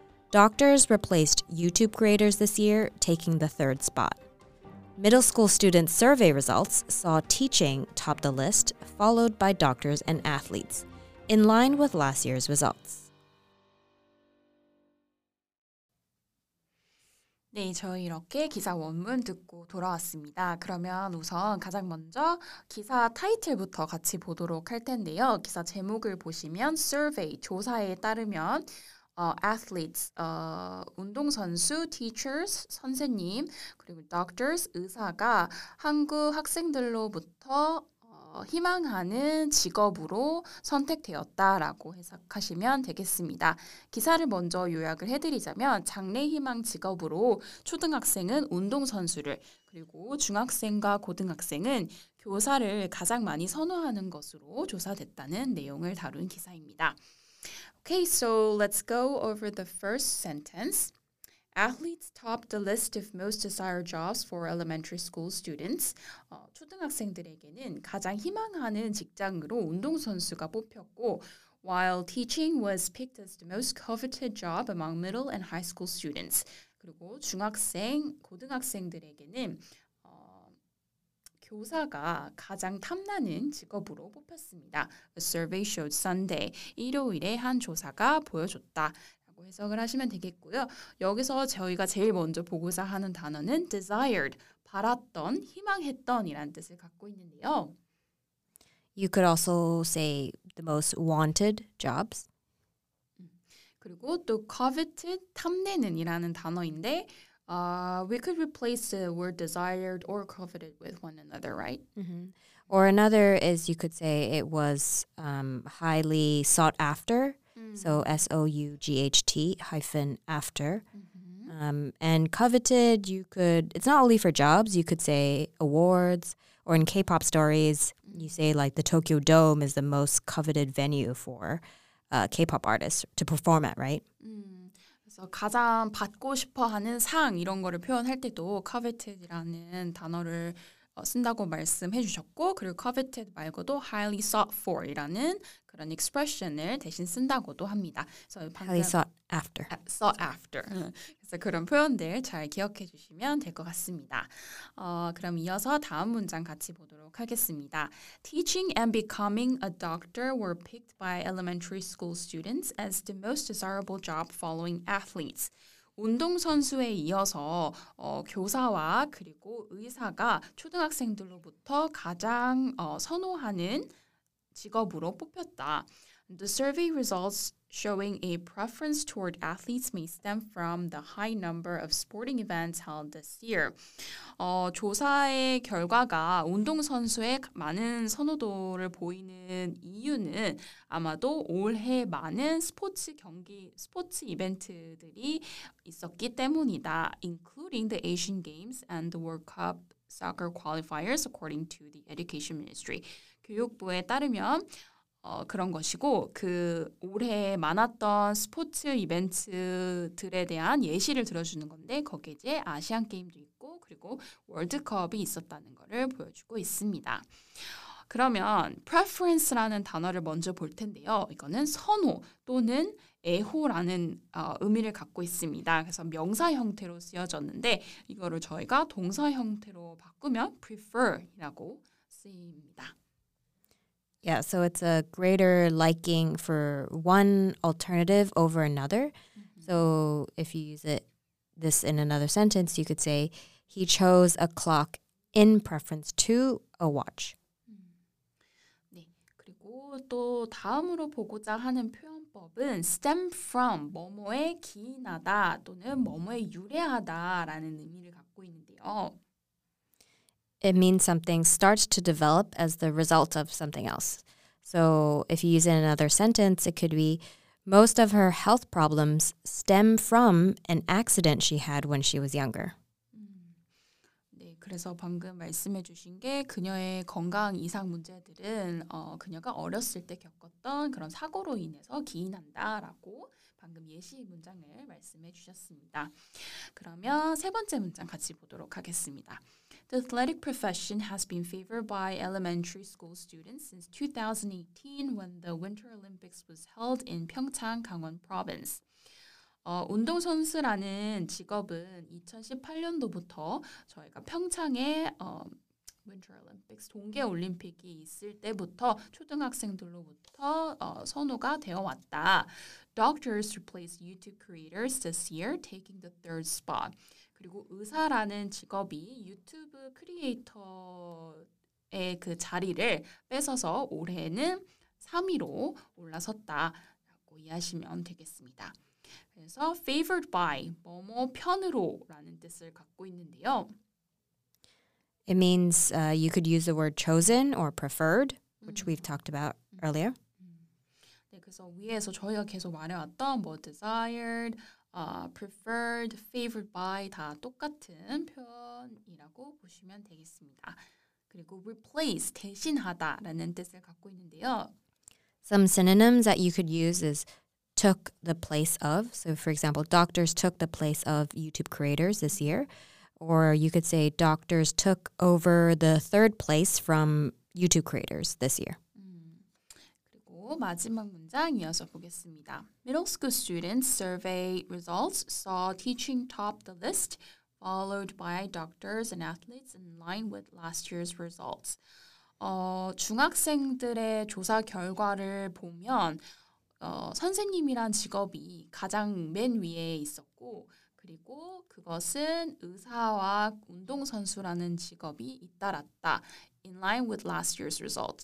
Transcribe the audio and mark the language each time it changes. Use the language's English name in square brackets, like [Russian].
[English] Doctors replaced YouTube creators this year, taking the third spot. Middle school student survey results saw teaching top the list, followed by doctors and athletes, in line with last year's results. [Korean] 네, 저희 이렇게 기사 원문 듣고 돌아왔습니다. 그러면 우선 가장 먼저 기사 타이틀부터 같이 보도록 할 텐데요. 기사 제목을 보시면 survey, 조사에 따르면 athletes, 운동선수, teachers, 선생님, 그리고 doctors, 의사가 한국 학생들로부터 희망하는 직업으로 선택되었다라고 해석하시면 되겠습니다. 기사를 먼저 요약을 해드리자면 장래 희망 직업으로 초등학생은 운동선수를 그리고 중학생과 고등학생은 교사를 가장 많이 선호하는 것으로 조사됐다는 내용을 다룬 기사입니다. [English] Okay, so let's go over the first sentence. Athletes topped the list of most desired jobs for elementary school students. [Korean] 초등학생들에게는 가장 희망하는 직장으로 운동선수가 뽑혔고, [English] while teaching was picked as the most coveted job among middle and high school students. [Korean] 그리고 중학생, 고등학생들에게는 교사가 가장 탐나는 직업으로 뽑혔습니다. [English] A survey showed Sunday, [Korean] 일요일에 한 조사가 보여줬다. 해석을 하시면 되겠고요. 여기서 저희가 제일 먼저 보고자 하는 단어는 desired, 바랐던, 희망했던이란 뜻을 갖고 있는데요. [English] You could also say the most wanted jobs. [Korean] 그리고 또 [English] coveted, [Korean] 탐내는이라는 단어인데 [English] we could replace the word desired or coveted with one another, right? Mm-hmm. Or another is you could say it was highly sought after. So, SOUGHT hyphen after. Mm-hmm. And coveted, you could, it's not only for jobs, you could say awards, or in K-pop stories, you say like the Tokyo Dome is the most coveted venue for K-pop artists to perform at, right? [Korean] 그래서 가장 받고 싶어하는 상 이런 거를 표현할 때도 coveted이라는 단어를 쓴다고 말씀해 주셨고 그리고 coveted 말고도 highly sought for이라는 그런 expression을 대신 쓴다고도 합니다. 그래서 [English] highly sought after. Sought after. [Korean] 그래서 그런 표현들 잘 기억해 주시면 될 것 같습니다. 그럼 이어서 다음 문장 같이 보도록 하겠습니다. [English] Teaching and becoming a doctor were picked by elementary school students as the most desirable job following athletes. [Korean] 운동선수에 이어서 교사와 그리고 의사가 초등학생들로부터 가장 선호하는 직업으로 뽑혔다. [English] The survey results showing a preference toward athletes may stem from the high number of sporting events held this year. [Korean] 조사의 결과가 운동선수의 많은 선호도를 보이는 이유는 아마도 올해 많은 스포츠 경기, 스포츠 이벤트들이 있었기 때문이다. [English] Including the Asian Games and the World Cup soccer qualifiers according to the Education Ministry. [Korean] 교육부에 따르면 그런 것이고 그 올해 많았던 스포츠 이벤트들에 대한 예시를 들어주는 건데 거기에 이제 아시안 게임도 있고 그리고 월드컵이 있었다는 것을 보여주고 있습니다. 그러면 preference라는 단어를 먼저 볼 텐데요. 이거는 선호 또는 애호라는 의미를 갖고 있습니다. 그래서 명사 형태로 쓰여졌는데 이거를 저희가 동사 형태로 바꾸면 prefer이라고 쓰입니다. [English] Yeah, so it's a greater liking for one alternative over another. Mm-hmm. So if you use it this in another sentence, you could say he chose a clock in preference to a watch. [Korean] 네, 그리고 또 다음으로 보고자 하는 표현법은 stem from 뭐뭐에 기인하다 또는 뭐뭐에 유래하다라는 의미를 갖고 있는데요. [English] It means something starts to develop as the result of something else. So if you use it in another sentence, it could be most of her health problems stem from an accident she had when she was younger. [Korean] 네, 그래서 방금 말씀해 주신 게 그녀의 건강 이상 문제들은 그녀가 어렸을 때 겪었던 그런 사고로 인해서 기인한다라고 방금 예시 문장을 말씀해 주셨습니다. 그러면 세 번째 문장 같이 보도록 하겠습니다. [English] The athletic profession has been favored by elementary school students since 2018 when the Winter Olympics was held in Pyeongchang, Gangwon Province. [Korean] 운동선수라는 직업은 2018년도부터 저희가 평창에 Winter Olympics, 동계올림픽이 있을 때부터 초등학생들로부터 선호가 되어왔다. [English] Doctors replaced YouTube creators this year, taking the third spot. [Korean] 그리고 의사라는 직업이 유튜브 크리에이터의 그 자리를 뺏어서 올해는 3위로 올라섰다라고 이해하시면 되겠습니다. 그래서 favored by, 뭐뭐 편으로 라는 뜻을 갖고 있는데요. [English] It means you could use the word chosen or preferred, which we've talked about earlier. [Korean] 네, 그래서 위에서 저희가 계속 말해왔던 뭐 desired, preferred, favored by 다 똑같은 표현이라고 보시면 되겠습니다. 그리고 replace, 대신하다라는 뜻을 갖고 있는데요. [English] Some synonyms that you could use is took the place of. So for example, doctors took the place of YouTube creators this year. Or you could say doctors took over the third place from YouTube creators this year. [Korean] 그리고 마지막 문장 이어서 보겠습니다. [English] Middle school students survey results saw teaching top the list, followed by doctors and athletes in line with last year's results. [Korean] 중학생들의 조사 결과를 보면 선생님이란 직업이 가장 맨 위에 있었고 그리고 그것은 의사와 운동선수라는 직업이 잇따랐다. [English] In line with last year's result.